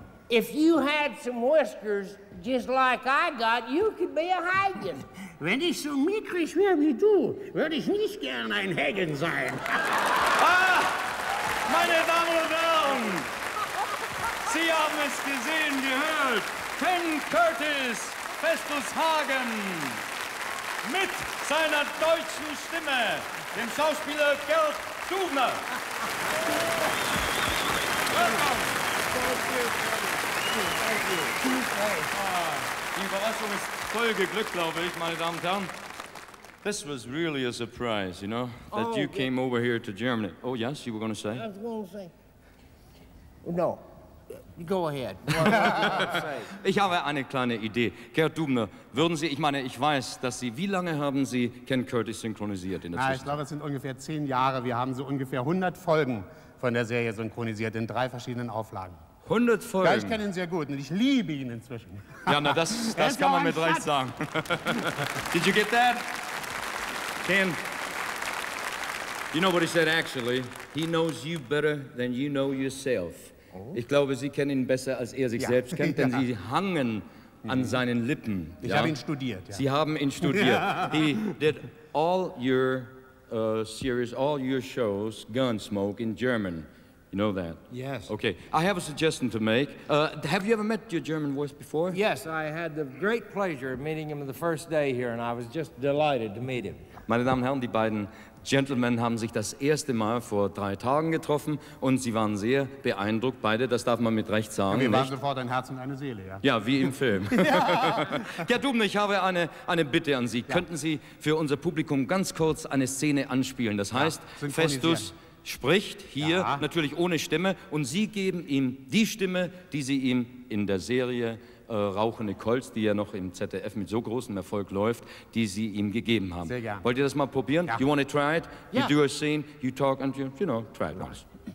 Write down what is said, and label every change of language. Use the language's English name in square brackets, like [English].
[English] If you had some whiskers just like I got, you could be a Hagen. [German] Wenn ich so mickrig wäre wie du, würde ich nicht gern ein Hagen sein. Ah, meine Damen und Herren, Sie haben es gesehen, gehört. Ken Curtis, Festus Hagen, mit seiner deutschen Stimme, dem Schauspieler Gerd Dubner. Die Überraschung ist voll geglückt, glaube ich, meine Damen und Herren. [English] This was really a surprise, you know, that you came over here to Germany. Oh, yes, you were going to say? No. Go ahead. [German] Ich habe eine kleine Idee. Gerd Dubner, würden Sie, ich meine, ich weiß, dass Sie, wie lange haben Sie Ken Curtis synchronisiert in der Zwischenzeit? Ich glaube, es sind ungefähr 10 Jahre. Wir haben so ungefähr 100 Folgen von der Serie synchronisiert in 3 verschiedenen Auflagen. 100 Folgen. Ja, ich kenne ihn sehr gut und ich liebe ihn inzwischen. Ja, na, das kann man mit Recht sagen. [English] Did you get that? Ken, you know what he said actually? He knows you better than you know yourself. Oh. [German] Ich glaube, Sie kennen ihn besser, als er sich selbst kennt, denn Sie hangen an seinen Lippen. Ich habe ihn studiert, Sie haben ihn studiert. [English] He did all your series, all your shows, Gunsmoke in German. You know that? Yes. Okay. I have a suggestion to make. Have you ever met your German voice before? Yes, I had the great pleasure of meeting him the first day here, and I was just delighted to meet him. [German] Meine Damen und Herren, die beiden Gentlemen haben sich das erste Mal vor 3 Tagen getroffen, und sie waren sehr beeindruckt, beide, das darf man mit Recht sagen. Wir waren sofort ein Herz und eine Seele, ja. Ja, wie im Film. Gerd Dubner, ich habe eine Bitte an Sie. Ja. Könnten Sie für unser Publikum ganz kurz eine Szene anspielen? Das heißt, Festus spricht hier natürlich ohne Stimme, und Sie geben ihm die Stimme, die Sie ihm in der Serie Rauchende Colts, die ja noch im ZDF mit so großem Erfolg läuft, die Sie ihm gegeben haben. Sehr gern. Wollt ihr das mal probieren? Ja. [English] You want to try it? Yeah. You do a scene, you talk and you know, try it once.